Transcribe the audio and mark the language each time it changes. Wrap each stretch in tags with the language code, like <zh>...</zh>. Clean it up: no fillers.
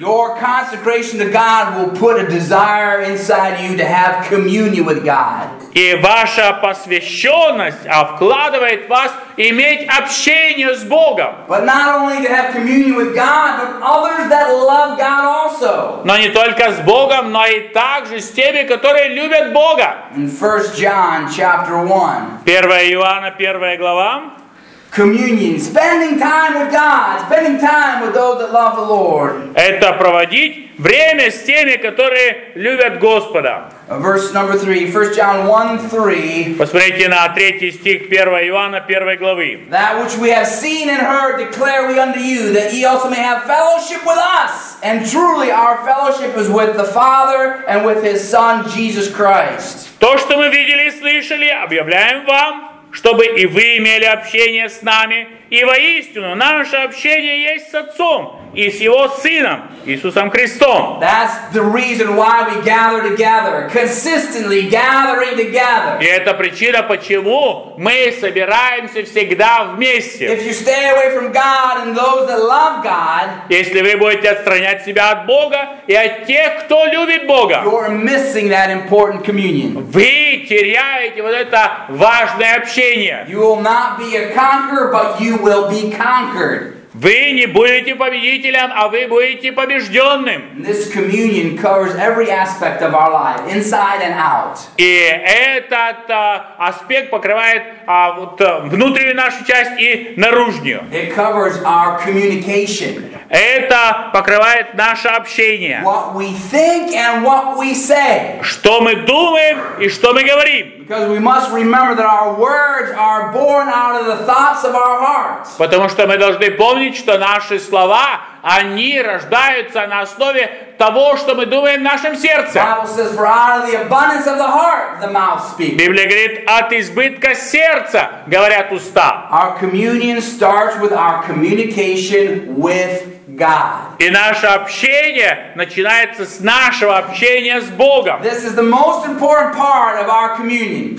<en>Your consecration to God will put a desire inside you to have communion with God.</en> <ru>И ваша посвященность вкладывает в вас иметь общение с Богом.</ru> <en>But not only to have communion with God, but others that love God also.</en> <ru>Но не только с Богом, но и также с теми, которые любят Бога.</ru> <en>In 1 John chapter 1.</en> <ru>1 Иоанна, 1 глава.</ru> <en>Communion, spending time with God, spending time with those that love the Lord.</en> <ru>Это проводить время с теми, которые любят Господа.</ru> <en>Verse number 3, 1 John 1:3.</en> <ru>Посмотрите на третий стих 1 Иоанна 1 главы.</ru> <en>That which we have seen and heard declare we unto you, that ye also may have fellowship with us. And truly our fellowship is with the Father and with His Son Jesus Christ.</en> <ru>То, что мы видели и слышали, объявляем вам, чтобы и вы имели общение с нами. И воистину, наше общение есть с Отцом и с Его Сыном, Иисусом Христом.</ru> <en>That's the reason why we gather together, consistently gathering together.</en> <ru>И это причина, почему мы собираемся всегда вместе.</ru> <en>If you stay away from God and those that love God,</en> <ru>если вы будете отстранять себя от Бога и от тех, кто любит Бога,</ru> <en>you're missing that important communion.</en> <ru>Вы теряете вот это важное общение.</ru> <en>You will not be a conqueror, but you will be conquered.</en> <ru>Вы не будете победителем, а вы будете побежденным.</ru> <en>This communion covers every aspect of our life, inside and out.</en> <ru>И этот аспект покрывает вот внутреннюю нашу часть и наружную.</ru> <en>It covers our communication.</en> <ru>Это покрывает наше общение.</ru> <en>What we think and what we say.</en> <ru>Что мы думаем и что мы говорим.</ru> <en>Because we must remember that our words are born out of the thoughts of our hearts.</en> <ru>Потому что мы должны помнить, что наши слова, они рождаются на основе того, что мы думаем в нашем сердце. Библия говорит, от избытка сердца говорят уста.</ru> <en>Our communion starts with our communication with God.</en> <ru>И наше общение начинается с нашего общения с Богом.</ru> <en>This is the most important part of our communion.</en>